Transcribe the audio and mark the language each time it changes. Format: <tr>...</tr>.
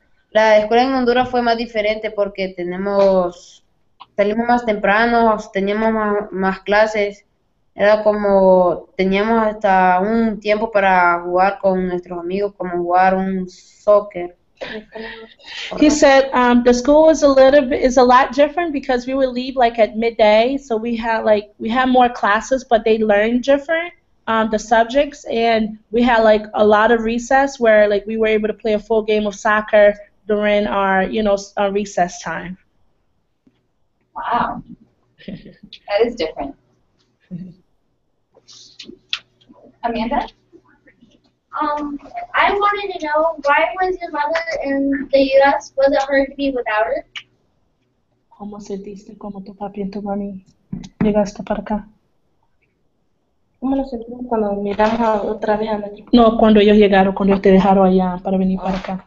<es>La escuela en Honduras fue más diferente porque tenemos, salimos más temprano, teníamos más clases. Era como, teníamos hasta un tiempo para jugar con nuestros amigos, como jugar un soccer.</es> <en>He said the school is a lot different because we would leave like at midday, so we had more classes, but they learned different the subjects, and we had like a lot of recess where like we were able to play a full game of soccer during our recess time. Wow, that is different. Amanda. I wanted to know, why was your mother in the U.S.? Was it hard to be without her?</en> <es>¿Cómo sentiste como tu papi y tu mami llegaste para acá? ¿Cómo lo sentimos cuando miramos otra vez a nuestro? No, cuando ellos llegaron, cuando ellos te dejaron allá para venir para acá.</es>